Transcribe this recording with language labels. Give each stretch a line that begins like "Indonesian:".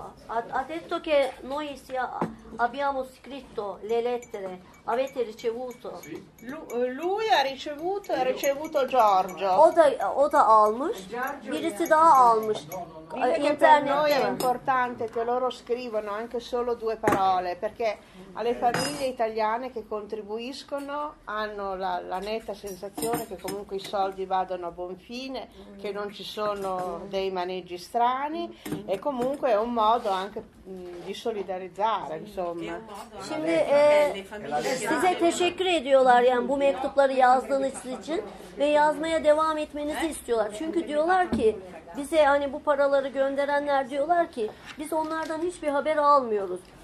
Italian: Ha detto che noi abbiamo scritto le lettere, avete ricevuto? Sì. Lui ha ricevuto e ha ricevuto Giorgio.
Turkish: O da almış, birisi daha almış.
Italian: Per noi è importante che loro scrivano anche solo due parole, perché alle famiglie italiane che contribuiscono hanno la netta sensazione che comunque i soldi vadano a buon fine, che non ci sono dei maneggi strani, e comunque è un modo anche di solidarizzare, insomma.
Turkish: Şimdi size teşekkür ediyorlar yani bu mektupları yazdığınız için ve yazmaya devam etmenizi istiyorlar. Çünkü diyorlar ki bize hani bu paraları gönderenler diyorlar ki biz onlardan hiçbir haber almıyoruz.